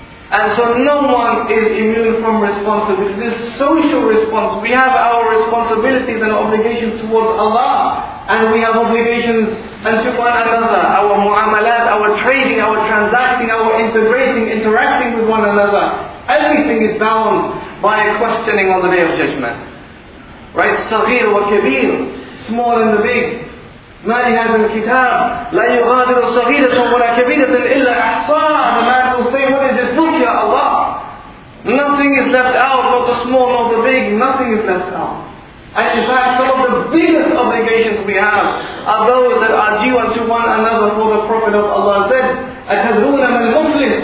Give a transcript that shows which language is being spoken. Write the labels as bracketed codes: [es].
[en] And so no one is immune from responsibility. This social response, we have our responsibilities and obligations towards Allah, and we have obligations unto one another, our mu'amalat, our trading, our transacting, our integrating, interacting with one another. Everything is bound by a questioning on the Day of Judgment. Right? [ar] Saghir wa kabir, [en] small and the big. Mali has in the kitab, [ar] لا يغادر صغيرة ولا كبيرة إلا أحصاها. [en] The man will say, what is this book, Ya Allah? Nothing is left out, not the small, not the big, nothing is left out. And in fact, some of the biggest obligations we have are those that are due unto one another. For the Prophet of Allah said, [ar] أتدرون من المفلس?